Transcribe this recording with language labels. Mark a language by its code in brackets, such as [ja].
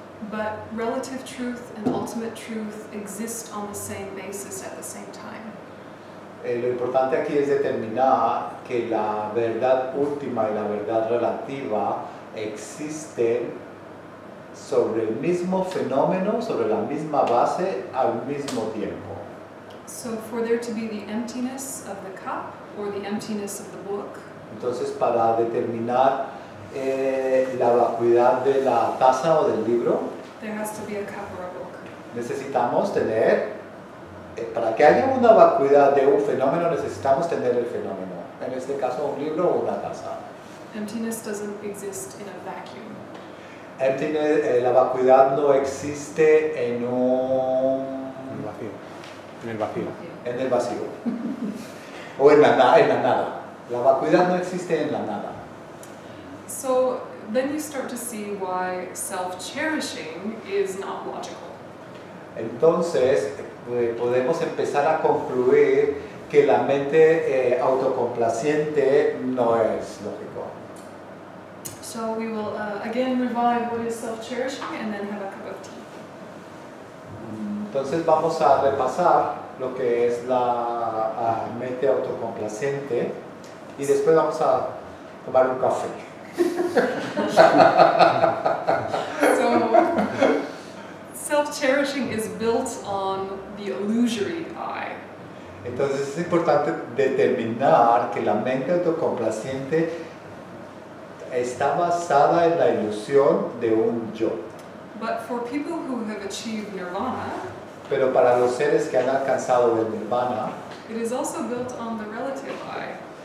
[en] But relative truth and ultimate truth exist on the same basis at the same time. [es] Lo importante aquí es determinar que la verdad última y la verdad relativa existen sobre el mismo fenómeno, sobre la misma base, al mismo tiempo. [en] So for there to be the emptiness of the cup or the emptiness of the book. [es] Entonces para determinar la vacuidad de la taza o del libro. [en] There has to be a cup or a book. [es] Necesitamos tener, para que haya una vacuidad de un fenómeno, necesitamos tener el fenómeno. En este caso, un libro o una taza. [en] Emptiness doesn't exist in a vacuum. [es] Emptiness, la vacuidad no existe en un... En el vacío. En el vacío. En el vacío. O en la nada. La vacuidad no existe en la nada. [en] So... Then you start to see why self-cherishing is not logical. [es] Entonces, podemos empezar a concluir que la mente autocomplaciente no es lógico. [en] So we will again revive what is self-cherishing and then have a cup of tea. [es] Entonces vamos a repasar lo que es la mente autocomplaciente y después vamos a tomar un café. [en] So, self-cherishing is built on the illusory I. [es] Entonces es importante determinar que la mente autocomplaciente está basada en la ilusión de un yo. [en] But for people who have achieved nirvana, [es] pero para los seres que han alcanzado el nirvana, [en] it is also built on the relative I.